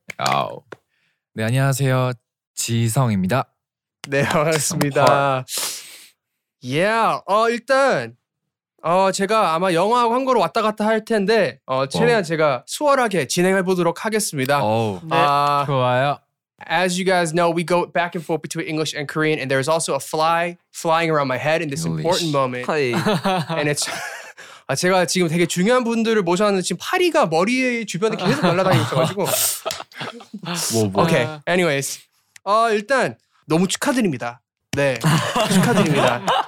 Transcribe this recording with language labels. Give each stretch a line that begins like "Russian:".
Korean: 아우. 네, 안녕하세요, 지성입니다. 네, 반갑습니다. Yeah, 일단 제가 아마 영어하고 한국어로 왔다 갔다 할 텐데 최대한 제가 수월하게 진행해 보도록 하겠습니다. 좋아요.
English: As you guys know, we go back and forth between English and Korean, and there is also a fly flying around my head in this English. Important moment. And it's
Korean: 제가 지금 되게 중요한 분들을 모셔왔는데 지금 파리가 머리 주변에 계속 날아다니셔가지고.
English: Okay. Anyways,
Korean: 일단 너무 축하드립니다. 네, 축하드립니다.